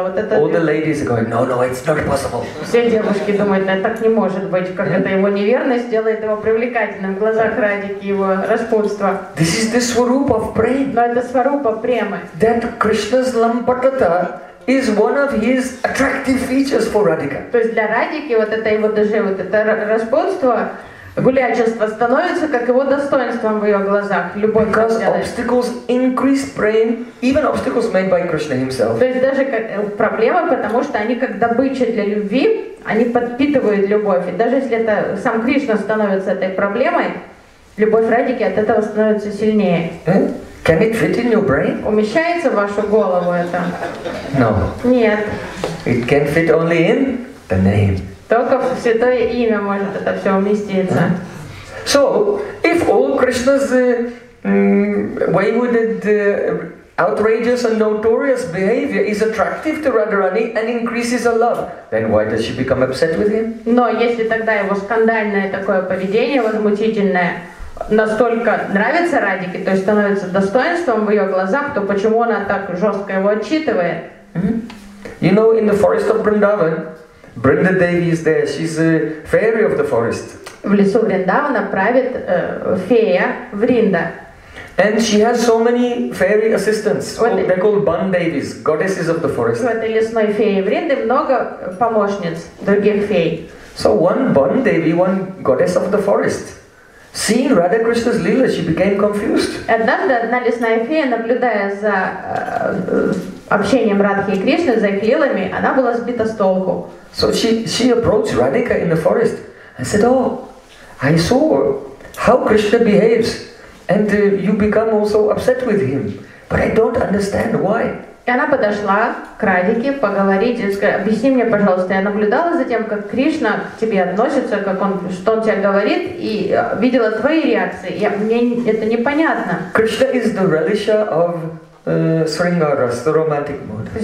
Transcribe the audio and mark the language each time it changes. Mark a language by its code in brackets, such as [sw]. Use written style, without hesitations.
[ru] Вот это. [en] All the ladies are going, no, it's not possible. [ru] Все девушки думают, да, так не может быть, как это его неверность делает его привлекательным в глазах Радики, его распутство. [en] This is the swarup of prema. [ru] Но это сварупа премы. [en] That Krishna's lampatata is one of his attractive features for Radhika. [ru] То есть для Радики вот это его даже вот это распутство. Гулячество становится как его достоинством в ее глазах. Любовь. [en] Because obstacles increase prema, even obstacles made by Krishna himself. [ru] То есть даже как проблема, потому что они как добыча для любви, они подпитывают любовь. И даже если это сам Кришна становится этой проблемой, любовь Радики от этого становится сильнее. [en] Can it fit in your brain? [ru] Умещается в вашу голову это? [en] No. [ru] Нет. [en] It can fit only in the name. [ru] Только в святое имя может это все уместиться. [en] So, if all Krishna's wayward, outrageous and notorious behavior is attractive to Radharani and increases her love, then why does she become upset with him? [ru] Но если тогда его скандальное такое поведение, возмутительное, настолько нравится Радике, то есть становится достоинством в ее глазах, то почему она так жестко его отчитывает? [en] You know, in the forest of Vrindavan, Brinda Devi is there. She's a fairy of the forest. [ru] В лесу Вриндавана правит фея Вринда. [en] And she has so many fairy assistants. They're called Ban Devis, goddesses of the forest. [ru] В этой лесной фее Вринды много помощниц других фей. [en] So one Ban Devi, one goddess of the forest, seeing Radha Krishna's lila, she became confused. [ru] Однажды одна лесная фея, наблюдая за общением Радхи и Кришны, за их лилами, она была сбита с толку. [en] So she approached Radhika in the forest and said, "Oh, I saw how Krishna behaves, and you become also upset with him. But I don't understand why." [ru] И она подошла к Радике поговорить и сказать, объясни мне, пожалуйста, я наблюдала за тем, как Кришна к тебе относится, как он, что он тебе говорит, и видела твои реакции. Я, мне это непонятно. [en] Кришна is the relisha of Шрингарас, the romantic mood.